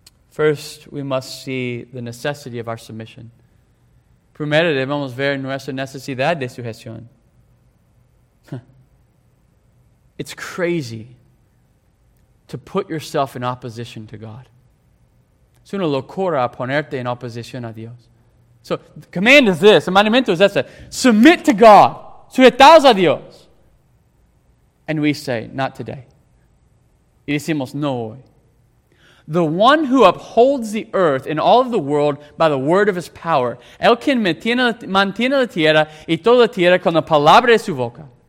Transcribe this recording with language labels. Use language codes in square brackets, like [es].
[en] First, we must see the necessity of our submission. [es] Primero, debemos ver nuestra necesidad de sujeción. [en] It's crazy to put yourself in opposition to God. [es] Es una locura ponerte en oposición a Dios. [en] So, the command is this. [es] El mandamiento es este. [en] Submit to God. [es] Sujetaos a Dios. [en] And we say, not today. [es] Y decimos, no hoy. [en] The one who upholds the earth and all of the world by the word of his power. [es] El quien mantiene la tierra y toda la tierra con la palabra de su boca.